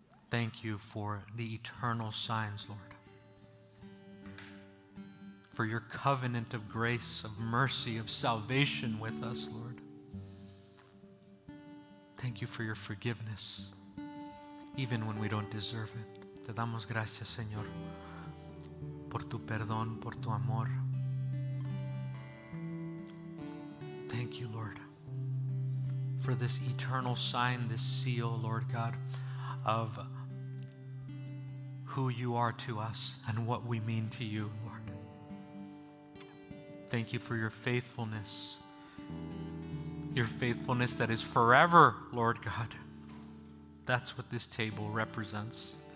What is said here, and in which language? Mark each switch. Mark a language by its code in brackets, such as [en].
[en] Thank you for the eternal signs, Lord, for your covenant of grace, of mercy, of salvation with us, Lord. Thank you for your forgiveness, even when we don't deserve it. [es] Te damos gracias, Señor, por tu perdón, por tu amor. [en] Thank you, Lord, for this eternal sign, this seal, Lord God, of who you are to us and what we mean to you, Lord. Thank you for your faithfulness that is forever, Lord God. That's what this table represents.